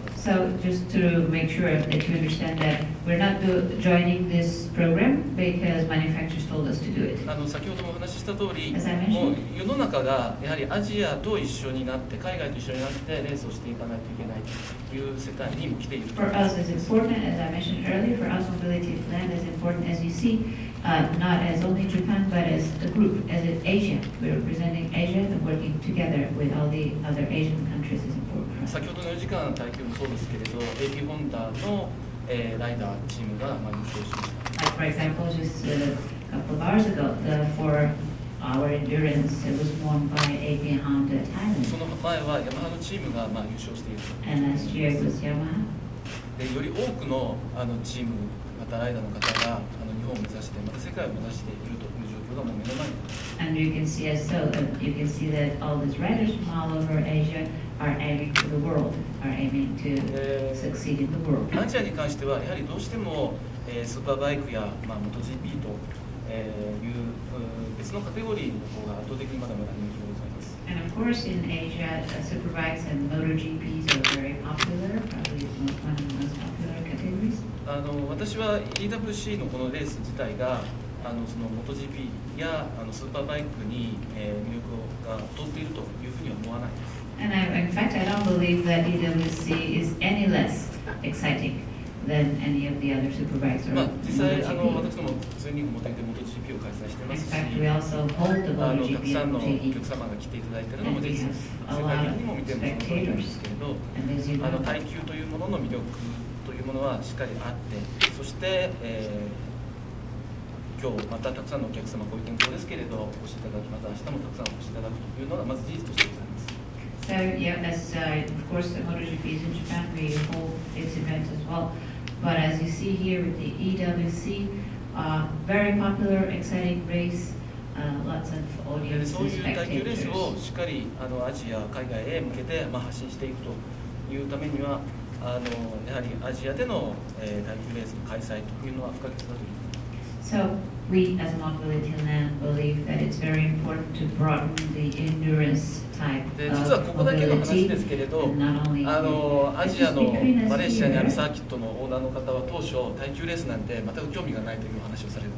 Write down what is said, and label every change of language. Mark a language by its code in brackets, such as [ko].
[en] そう、just to make sure that you understand that we're not joining this program because manufacturers told us to do it. [ja] あの先ほどもお話しした通り、もう世の中がやはりアジアと一緒になって、海外と一緒になってレースをしていかないといけないという世界にも来ている。 [en] For us, it's important, as I mentioned earlier, for us, mobility plan is important, as you see, not as only Japan, but as a group, as in Asia. We're representing Asia and working together with all the other Asian countries is important. [ja] 先ほどの4時間の耐久もそうですけれど、AP ホンダの、ライダーチームが優勝しました。 [en] Like, for example, just a couple of hours ago, the four hour endurance was won by AP Honda Thailand. [ja] その前はヤマハのチームが、まあ、優勝していると。 [en] And last year it was Yamaha. [ja] で、より多くの、 あのチーム、またライダーの方があの日本を目指して、また世界を目指していると。 [en] And you can see as so, you can see that all these riders from all over Asia are aiming to the world, are aiming to succeed in the world. [ja] アジアに関してはやはりどうしても、スーパーバイクや、まあ、モト GP と、いう、別のカテゴリーの方が圧倒的にまだまだ人気がございます。 [en] And of course in Asia, superbikes and moto GPs are very popular, probably one of the most popular categories. [ja] あの私は EWC のこのレース自体が、あのそのモト GP やあのスーパーバイクに、魅力が劣っているというふうには思わないです。 [en] And I, in fact, I don't believe that EWC is any less exciting than any of the other superbikes or [ja] MotoGP. 実際あの私ども普通にモテてモト GP を開催してますし、 [en] In fact, we also hold the MotoGP. [ja] あのたくさんのお客様が来ていただいているのも実際世界的にも見てもそうなんですけれど、あの耐久というものの魅力というものはしっかりあって、そして。今日またたくさんのお客様こういう天候ですけれどお越しいただきまた明日もたくさんお越しいただくというのがまず事実としてございます。 [en] So yeah, as of course the MotoGP is in Japan, we hold its events as well. But as you see here with the EWC, very popular, exciting race, lots of audience spectators. [ja] そういう耐久レースをしっかりあのアジア海外へ向けてまあ発信していくというためにはあのやはりアジアでの、耐久レースの開催というのは不可欠だと。 [en] So we, as Mobility Land, believe that it's very important to broaden the endurance type of mobility. [ja] 実はここだけの話ですけれど、あのアジアのマレーシアにあるサーキットのオーナーの方は当初耐久レースなんて全く興味がないという話をされる。